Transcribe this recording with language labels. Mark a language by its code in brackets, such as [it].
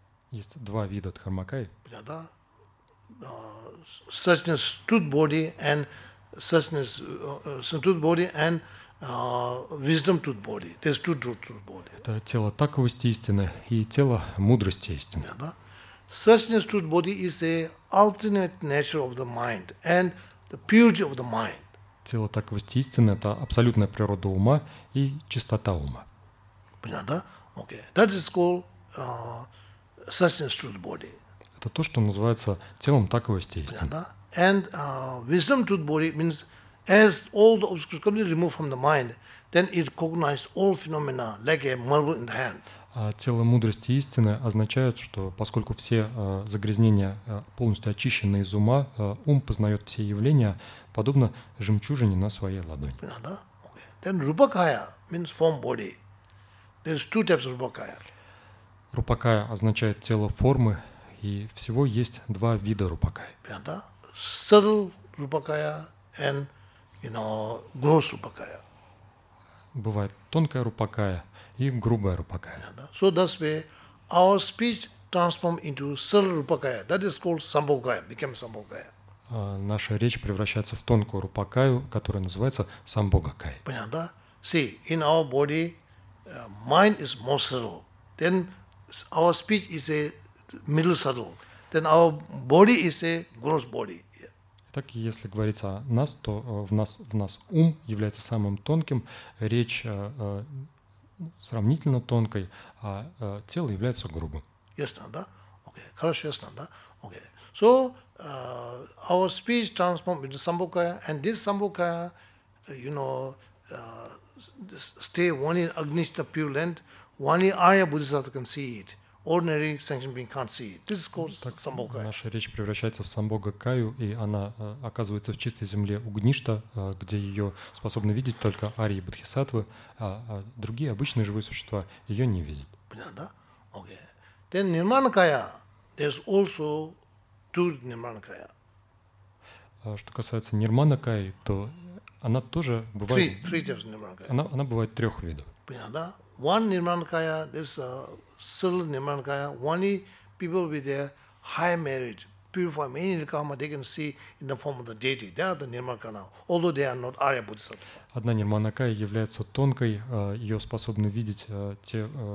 [ru] Есть два вида дхармакаи. Понятно? [en] Suchness truth body and suchness truth body and wisdom truth body. There's two truth body. [ru] Это тело таковости истины и тело мудрости истины. Yeah, да? [en] Suchness truth body is the ultimate nature of the mind and the purity of the mind. [ru] Тело таковости истины — это абсолютная природа ума и чистота ума. Понятно, да? [en] Okay. That is called suchness truth body. [ru] Это то, что называется телом таковости истины. [en] And wisdom truth body means as all the obstacles completely removed from the mind, then it recognizes all phenomena like a marble in the hand. [ru] Тело мудрости истины означает, что поскольку все загрязнения полностью очищены из ума, ум познает все явления подобно жемчужине на своей ладони. Понятно? [en] Okay. Then rupakaya means form body. There's two types of rupakaya. [ru] Рупакая означает тело формы. И всего есть два вида рупакаи. Понятно? [en] Subtle rupakaya and, you know, gross rupakaya. [ru] Бывает тонкая рупакая и грубая рупакая. Понятно? [en] So that's where our speech transform into subtle rupakaya. That is called sambhogaya, became sambhogaya. [ru] Наша речь превращается в тонкую рупакаю, которая называется самбхогакая. Понятно? [en] See, in our body, mind is more subtle. Then our speech is a middle subtle, then our body is a gross body. Yeah. [ru] Так, если говорить о нас, то в нас ум является самым тонким, речь сравнительно тонкой, а тело является грубым. Ясно, да? Окей. Хорошо, ясно, да? Окей. [en] So, our speech transforms into sambhogaya, and this sambhogaya, you know, stay only in Agnishta pure land, only Arya Buddhists can see it. Ordinary sentient being can't see. This is called sambhogaya. [ru] Наша речь превращается в самбхогакаю, и она оказывается в чистой земле Угништа, где ее способны видеть только арии бодхисаттвы, а другие обычные живые существа ее не видят. Понятно, да? [en] Okay. Then nirmanakaya, there's also two nirmanakaya. [ru] Что касается нирманакаи, то она тоже бывает... [en] Three types of nirmanakaya. [ru] Она бывает трех видов. Понятно, да? [en] One nirmanakaya, there's a subtle nirmanakaya. Only people with their high merit, purified many karma, they can see in the form of the deity. They are the nirmanakaya, although they are not Arya Buddhist. [ru] Одна нирманакая является тонкой, ее способны видеть те